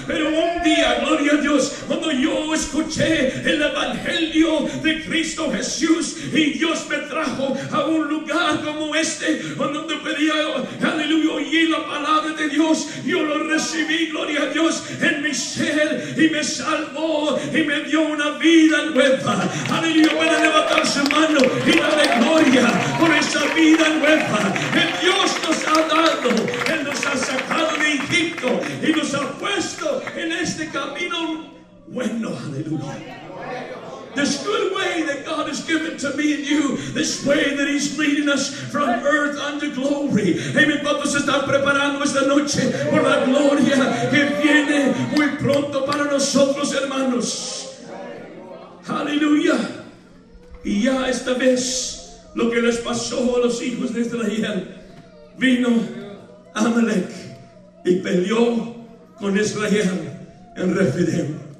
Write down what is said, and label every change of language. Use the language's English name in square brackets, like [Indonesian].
[Spanish] Pero un día, gloria a Dios, cuando yo escuché el evangelio de Cristo Jesús, y Dios me trajo a un lugar como este, donde pedía, aleluya, oí la palabra de Dios, yo lo recibí, gloria a Dios, en mi ser, y me salvó y me dio una vida nueva. Aleluya, puede levantar su mano y darle gloria por esa vida nueva que Dios nos ha dado. Él nos ha sacado de Egipto y nos ha puesto en este camino bueno. Aleluya. [English] This good way that God has given to me and you, this way that He's leading us from earth unto glory. Amen. [Spanish] Todos están preparando esta noche por la gloria que viene muy pronto para nosotros, hermanos. Aleluya. Y ya esta vez, lo que les pasó a los hijos de Israel, vino Amalek y peleó con Israel en Refidim.